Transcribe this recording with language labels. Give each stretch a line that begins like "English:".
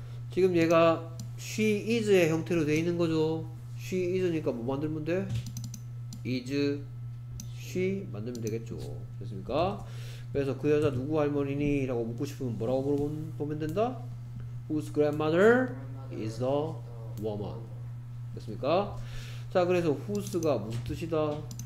Korean: 지금 얘가 she is의 형태로 되어 있는 거죠. she is니까 뭐 만들면 돼? is she 만들면 되겠죠. 됐습니까? 그래서 그 여자 누구 할머니니? 라고 묻고 싶으면 뭐라고 물어보면 된다?
English: whose grandmother is the woman?
Korean: 됐습니까? 자, 그래서 whose가 무슨 뜻이다?